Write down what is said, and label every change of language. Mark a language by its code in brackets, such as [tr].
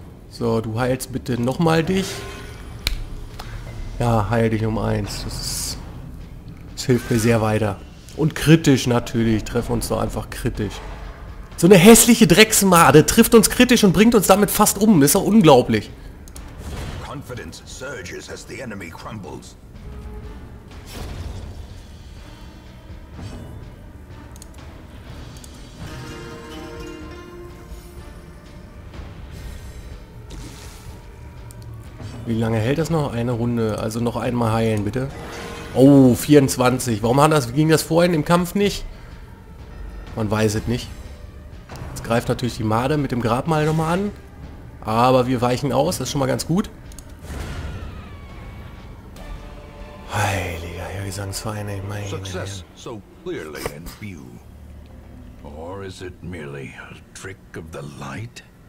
[de] So, du heilst bitte nochmal dich. Ja, heil dich um 1. Das hilft mir sehr weiter. Und kritisch natürlich. Treffen uns doch einfach kritisch. So eine hässliche Drecksmade trifft uns kritisch und bringt uns damit fast um. Ist doch unglaublich. [en] Confidence surges as the enemy crumbles. [de] Wie lange hält das noch? Eine Runde. Also noch einmal heilen, bitte. Oh, 24. Warum ging das vorhin im Kampf nicht? Man weiß es nicht. Jetzt greift natürlich die Made mit dem Grabmal nochmal an. Aber wir weichen aus. Das ist schon mal ganz gut. Heiliger Herr Gesangsverein, ey. [en] Success so clearly in view. Or is it merely a trick of the light?